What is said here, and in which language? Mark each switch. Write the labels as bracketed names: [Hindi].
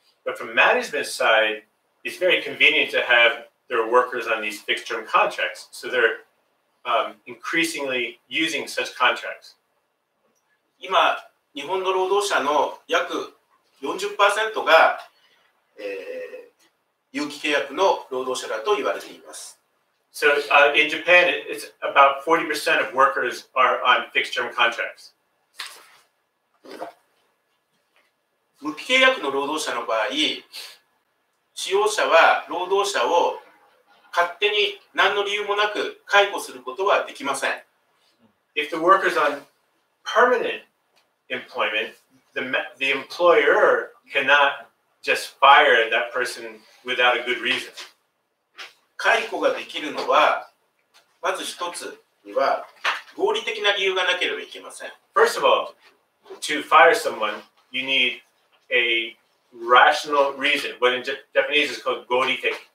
[English] But from management's side, it's very convenient to haveTheir workers on these fixed term contracts. So they're、increasingly using such contracts. [Japanese] 今、日本の労働者の約 40% が、有期契約の労働者だと言われています。 [English] So、in Japan, it's about 40% of workers are on fixed term contracts. [Japanese] 無期契約の労働者の場合、使用者は労働者を勝手に何の理由もなく解雇することはできません。 [English] If the worker's on permanent employment, the employer cannot just fire that person without a good reason. [Japanese] 解雇ができるのは、まず一つには合理的な理由がなければいけません。 [English] First of all, to fire someone, you need a rational reason. What in Japanese is called 合理的。